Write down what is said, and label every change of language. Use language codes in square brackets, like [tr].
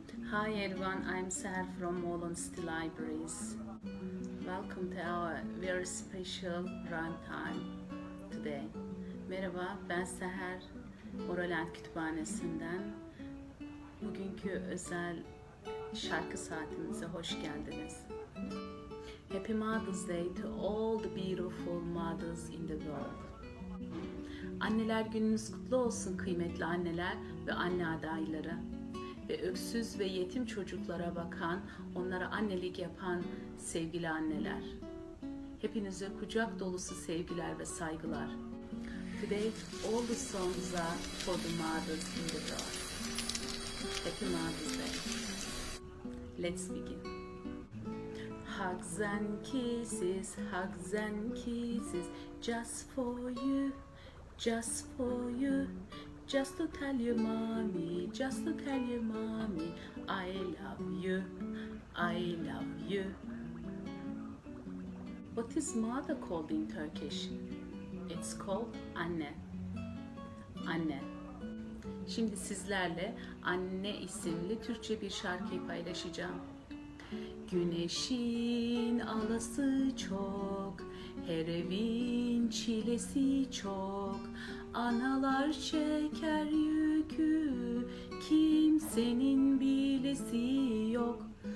[en] Hi everyone, I'm Ser from Molon City Libraries. Welcome to our very special run time today. [tr] Merhaba, ben Seher, Oralen Kütüphanesi'nden. Bugünkü özel şarkı saatimize hoş geldiniz. [en] Happy Mother's Day to all the beautiful mothers in the world. [tr] Anneler gününüz kutlu olsun kıymetli anneler ve anne adayları. Ve öksüz ve yetim çocuklara bakan, onlara annelik yapan sevgili anneler. Hepinize kucak dolusu sevgiler ve saygılar. [en] Today, all the songs are for the mothers in the world. Happy Mother's Day. Let's begin. Hugs and kisses, hugs and kisses, just for you, just for you. Just to tell you, mommy, just to tell you, mommy, I love you, I love you. What is mother called in Turkish? It's called anne. Anne. [tr] Şimdi sizlerle anne isimli Türkçe bir şarkıyı paylaşacağım. Güneşin alası çok, her evin çilesi çok. Analar çeker yükü, kimsenin bilesi yok.